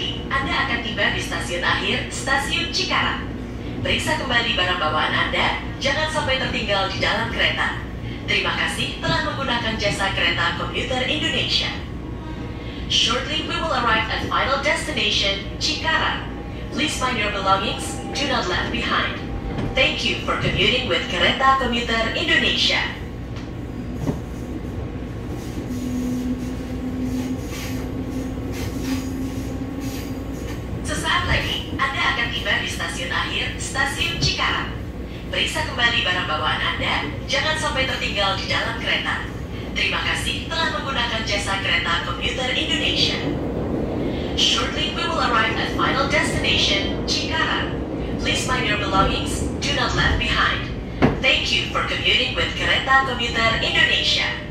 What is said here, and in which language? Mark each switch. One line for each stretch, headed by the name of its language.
Indonesian: Anda akan tiba di stasiun akhir, stasiun Cikarang. Periksa kembali barang bawaan Anda, jangan sampai tertinggal di dalam kereta. Terima kasih telah menggunakan jasa kereta komuter Indonesia.
English: Shortly we will arrive at final destination, Cikarang. Please find your belongings, do not left behind. Thank you for commuting with Kereta Komuter Indonesia.
Indonesian: Sesaat lagi, Anda akan tiba di stasiun akhir, stasiun Cikarang. Periksa kembali barang bawaan Anda, jangan sampai tertinggal di dalam kereta. Terima kasih telah menggunakan jasa Kereta Komuter Indonesia.
English: Shortly we will arrive at final destination, Cikarang. Please find your belongings, do not left behind. Thank you for commuting with Kereta Komuter Indonesia.